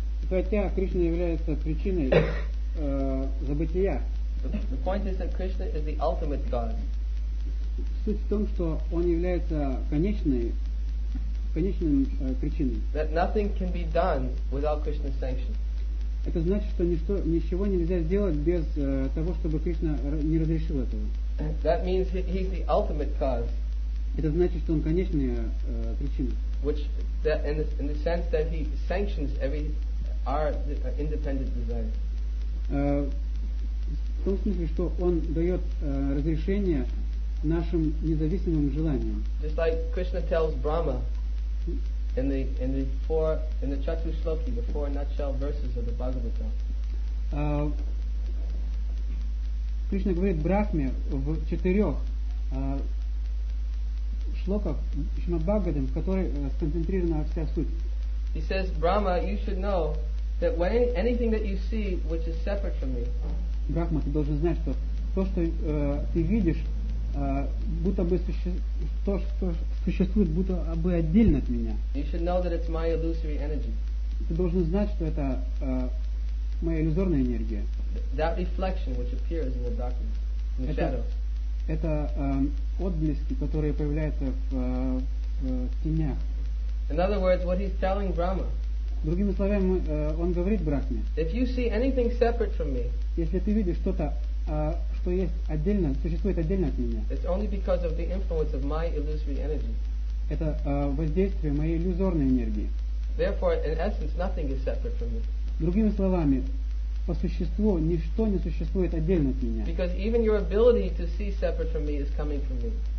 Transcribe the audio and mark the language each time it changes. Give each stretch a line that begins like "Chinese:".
Russian: хотя Кришна является причиной забытия,
English: the point is that Krishna is the ultimate cause.
Russian: Суть в том, что он является конечным причиной.
English: That nothing can be done without Krishna's sanction.
Russian: Это значит, что ничего нельзя сделать без того, чтобы Кришна не разрешил этого.
English: That means he's the ultimate cause.
Russian: Это значит, что он конечная причина.
English: Which that in the sense that he sanctions every our independent desire.
Russian: В том смысле, что он дает разрешение нашим независимым желаниям.
English: Just like Krishna tells Brahma. In the Chatushloki, the four nutshell verses of the Bhagavata.
Russian: Krishna говорит Брахме в четырех шлоках Шримад-Бхагаватам, в которой сконцентрирована вся суть.
English: He says, Brahma, you should know that when anything that you see which is separate from me.
Russian: Брахма, ты должен знать, что то, что ты видишь, будто бы то, что существует, будто бы отдельно от меня.
English: You should know that it's my illusory energy.
Russian: Ты должен знать, что это моя иллюзорная энергия.
English: That reflection, which appears in the darkness, in the shadows.
Russian: Это отблески, которые появляются в тенях.
English: In other words, what he's telling Brahma.
Russian: Другими словами, он говорит Брахме.
English: If you see anything separate from me.
Russian: Если ты видишь что-то, что есть отдельно, существует отдельно от меня.
English: It's only because of the influence of my illusory energy.
Russian: Это воздействие моей иллюзорной энергии.
English: Therefore, in essence, nothing is separate from me.
Russian: Другими словами, по существу ничто не существует отдельно от меня.
English: Because even your ability to see separate from me is coming from me.